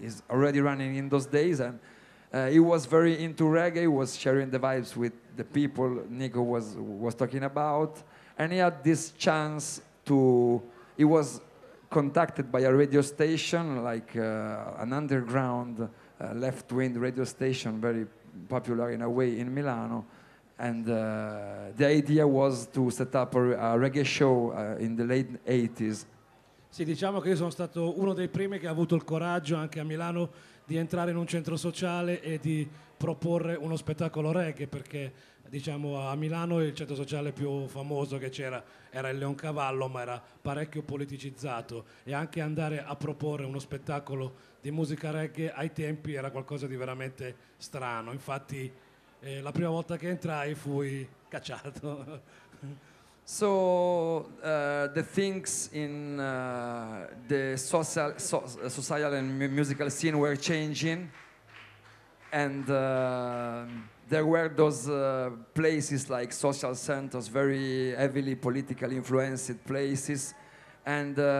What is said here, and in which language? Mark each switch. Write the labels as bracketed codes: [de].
[en] already running in those days and he was very into reggae, was sharing the vibes with the people Nico was talking about and he had this chance to, he was contacted by a radio station like an underground left-wing radio station, very popular in a way in Milano, and the idea was to set up a reggae show in the late 80s. [it] Sì, diciamo che io sono stato uno dei primi che ha avuto il coraggio anche a Milano di entrare in un centro sociale e di proporre uno spettacolo reggae, perché diciamo a Milano il centro sociale più famoso che c'era era il Leoncavallo, ma era parecchio politicizzato e anche andare a proporre uno spettacolo di musica reggae ai tempi era qualcosa di veramente strano. Infatti la prima volta che entrai fui cacciato. [en] So the things in the social and musical scene were changing and there were those places like social centers, very heavily politically influenced places, and